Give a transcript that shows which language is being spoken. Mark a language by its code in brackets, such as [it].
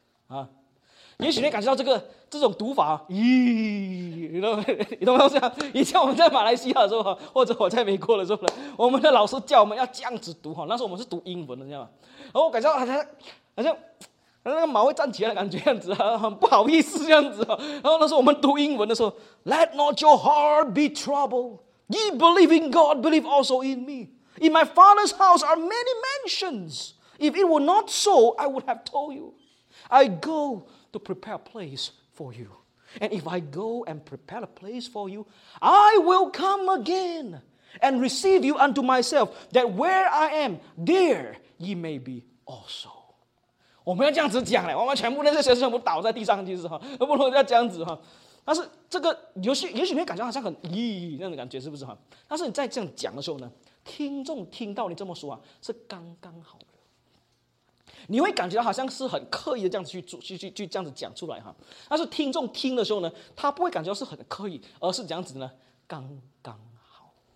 [zh] 啊，也许你感觉到这种读法，咦，你懂吗？这样以前我们在马来西亚的时候，或者我在美国的时候，我们的老师叫我们要这样子读哈，那时候我们是读英文的，知道吗？然后我感觉到好像那个毛会站起来的感觉样子啊，很不好意思这样子啊。然后那时候我们读英文的时候 ， [en] Let not your heart be troubled. Ye believe in God, believe also in me. In my father's house are many mansions. If it were not so, I would have told you. I go to prepare a place for you. And if I go and prepare a place for you, I will come again and receive you unto myself, that where I am, there ye may be also. [zh] 我们要这样子讲嘞，我们全部那些学生全部倒在地上，其实哈，不能要这样子哈。但是这个也许你会感觉好像很咦那样的感觉，是不是哈？但是你在这样讲的时候呢？听众听到你这么说啊，是刚刚好的。你会感觉好像是很刻意的这样子去这样子讲出来哈，但是听众听的时候呢，他不会感觉到是很刻意，而是这样子呢，刚刚好。